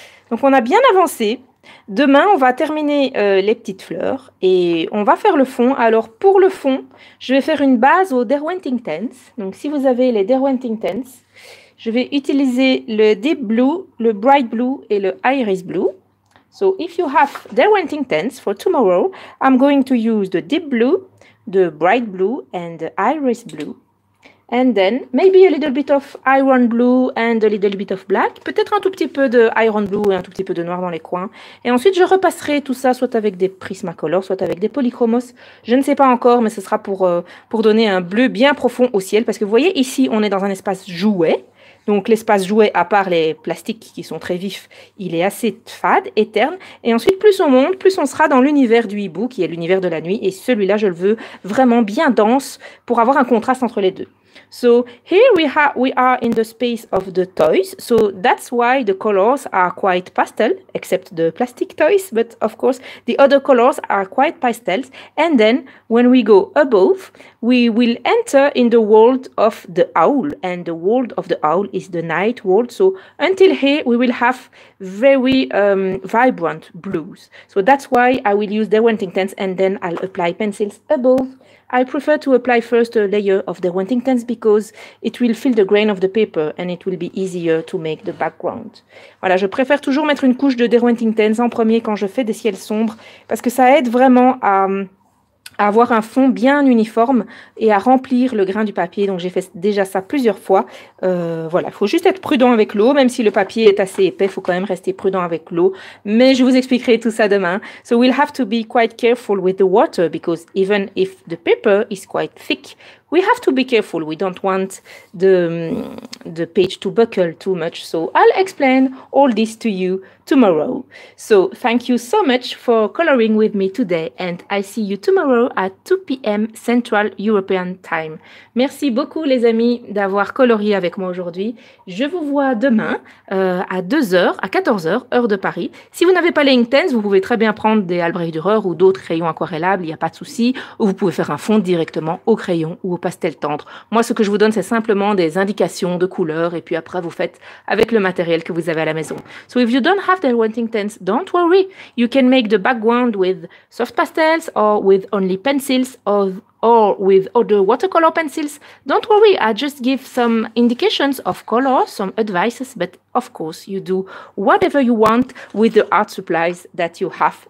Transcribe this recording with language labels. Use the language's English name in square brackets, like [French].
[French] Donc, on a bien avancé. Demain, on va terminer les petites fleurs et on va faire le fond. Alors, pour le fond, je vais faire une base au Derwenting Tents. Donc, si vous avez les Derwenting Tents, je vais utiliser le Deep Blue, le Bright Blue et le Iris Blue. [English] So, if you have Derwenting Tents for tomorrow, I'm going to use the Deep Blue, the Bright Blue and the Iris Blue. And then, maybe a little bit of Iron Blue and a little bit of Black. [French] Peut-être un tout petit peu de Iron Blue et un tout petit peu de noir dans les coins. Et ensuite, je repasserai tout ça, soit avec des Prismacolor, soit avec des Polychromos. Je ne sais pas encore, mais ce sera pour donner un bleu bien profond au ciel. Parce que vous voyez, ici, on est dans un espace jouet. Donc, l'espace jouet, à part les plastiques qui sont très vifs, il est assez fade, éterne. Et ensuite, plus on monte, plus on sera dans l'univers du hibou, qui est l'univers de la nuit. Et celui-là, je le veux vraiment bien dense pour avoir un contraste entre les deux. [English] So, here we are in the space of the toys. So, that's why the colors are quite pastel, except the plastic toys. But, of course, the other colors are quite pastels. And then, when we go above, we will enter in the world of the owl. And the world of the owl is the night world. So, until here, we will have very vibrant blues. So, that's why I will use Derwenting Tents and then I'll apply pencils above. I prefer to apply first a layer of the Derwenting Tents because it will fill the grain of the paper and it will be easier to make the background. [French] Voilà, je préfère toujours mettre une couche de Derwenting Tents en premier quand je fais des ciels sombres parce que ça aide vraiment à avoir un fond bien uniforme et à remplir le grain du papier. Donc j'ai fait déjà ça plusieurs fois. Voilà, il faut juste être prudent avec l'eau, même si le papier est assez épais, il faut quand même rester prudent avec l'eau. Mais je vous expliquerai tout ça demain. [English] So we'll have to be quite careful with the water, because even if the paper is quite thick, we have to be careful. We don't want the page to buckle too much. So I'll explain all this to you tomorrow. So thank you so much for coloring with me today. And I see you tomorrow at 2 p.m. Central European Time. [French] Merci beaucoup, les amis, d'avoir colorié avec moi aujourd'hui. Je vous vois demain à 2h, à 14h, heure de Paris. Si vous n'avez pas les Inktens, vous pouvez très bien prendre des Albrecht Dürer ou d'autres crayons aquarellables. Il n'y a pas de souci. Ou vous pouvez faire un fond directement au crayon ou au pastel tendre. Moi, ce que je vous donne, c'est simplement des indications de couleurs, et puis après, vous faites avec le matériel que vous avez à la maison. [English] So if you don't have the wanting tents, don't worry. You can make the background with soft pastels, or with only pencils, or with other watercolor pencils. Don't worry, I just give some indications of color, some advices, but of course, you do whatever you want with the art supplies that you have.